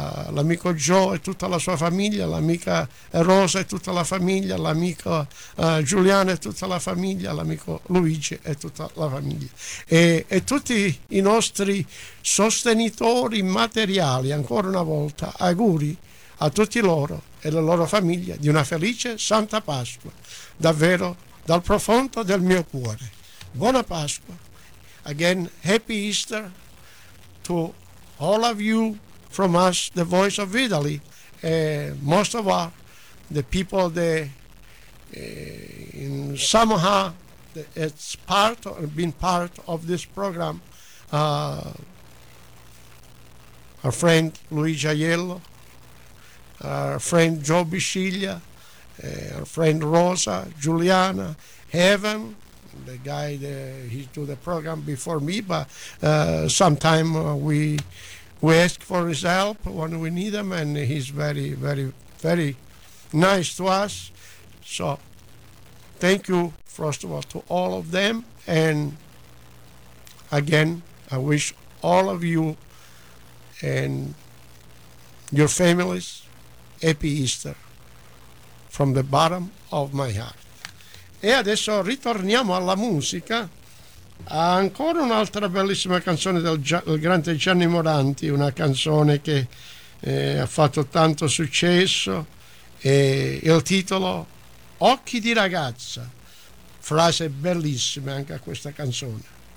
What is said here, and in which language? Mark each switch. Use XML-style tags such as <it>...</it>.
<it>l'amico Joe e tutta la sua famiglia, l'amica Rosa e tutta la famiglia, l'amico Giuliano e tutta la famiglia, l'amico Luigi e tutta la famiglia, e tutti i nostri sostenitori materiali. Ancora una volta auguri a tutti loro e la loro famiglia di una felice Santa Pasqua, davvero dal profondo del mio cuore. Buona Pasqua.</it> <en>Again, Happy Easter to all of you from us, the Voice of Italy, most of all, the people that somehow it's part or been part of this program, our friend Luigi Aiello, our friend Joe Bisciglia, our friend Rosa, Giuliana, Evan, the guy that he do the program before me, but sometime we ask for his help when we need him, and he's very, very, very nice to us. So thank you, first of all, to all of them. And again, I wish all of you and your families Happy Easter from the bottom of my heart.</en> <it>E adesso ritorniamo alla musica. Ancora un'altra bellissima canzone del grande Gianni Morandi, una canzone che ha fatto tanto successo, e il titolo Occhi di ragazza, frase bellissima anche a questa canzone.</it>